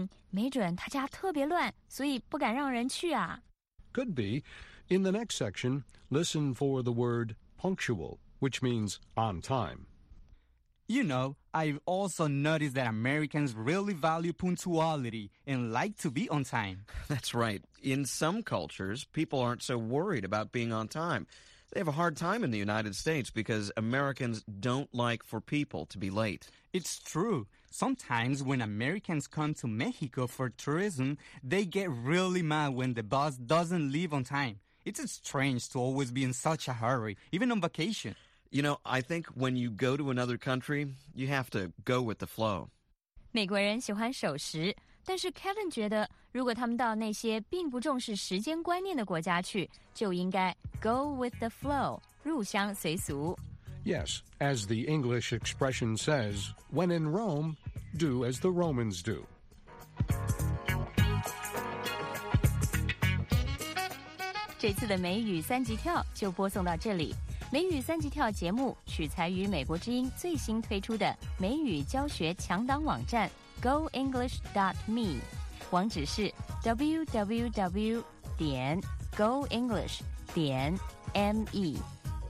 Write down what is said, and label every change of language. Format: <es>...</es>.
<zh>没准他家特别乱，所以不敢让人去啊。</zh> <en>Could be. In the next section, listen for the word punctual, which means on time. You know, I've also noticed that Americans really value punctuality and like to be on time. That's right. In some cultures, people aren't so worried about being on time. They have a hard time in the United States because Americans don't like for people to be late. It's true. Sometimes when Americans come to Mexico for tourism, they get really mad when the bus doesn't leave on time. It's strange to always be in such a hurry, even on vacation. You know, I think when you go to another country, you have to go with the flow.</en> <zh>美国人喜欢守时，但是 Kevin 觉得，如果他们到那些并不重视时间观念的国家去，就应该</zh> <en>go with the flow,</en> <zh>入乡随俗。</zh> <en>Yes, as the English expression says, when in Rome, do as the Romans do.</en> <zh>这次的美语三级跳就播送到这里。美语三级跳节目取材于美国之音最新推出的美语教学强档网站 goenglish.me， 网址是 www.goenglish.me。</zh>